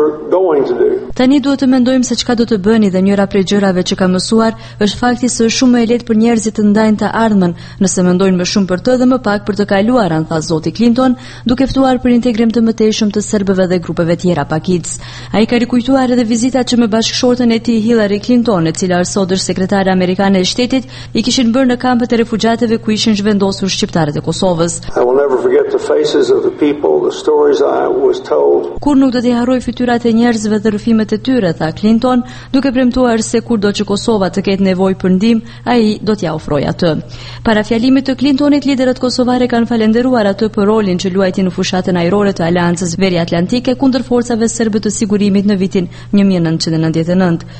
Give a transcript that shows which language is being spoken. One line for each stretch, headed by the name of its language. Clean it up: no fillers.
Albanian: Tani duhet të mendojmë se çka do të bëni dhe njëra prej gjërave që ka mësuar është fakti se është shumë më e lehtë për njerëzit të ndajnë të ardhmen nëse mendojnë më shumë për të dhe më pak për të kaluar, an tha zoti Clinton, duke ftuar për integrim të mëtejshëm të serbëve dhe grupeve tjera pakic. Ai ka rikujtuar edhe vizitat që me bashkëshorten e tij Hillary Clinton, e cila sot është sekretare amerikane e shtetit, i kishin bërë në kampet e refugjatëve ku ishin zhvendosur shqiptarët e Kosovës.
English: I will never forget the faces of the people, the stories I was told.
Albanian: Kur nuk do t'i harroj fytyrat e njerëzve dhe rrëfimet e tyre, tha Clinton, duke premtuar se kurdo që Kosova të ketë nevojë për ndihmë, ai do t'ja ofrojë atë. Para fjalimit të Clintonit, liderët kosovarë kanë falendëruar atë për rolin që luajti në fushatën ajrore të Aleancës Veri Atlantike kundër forcave serbe të sigurimit në vitin 1999.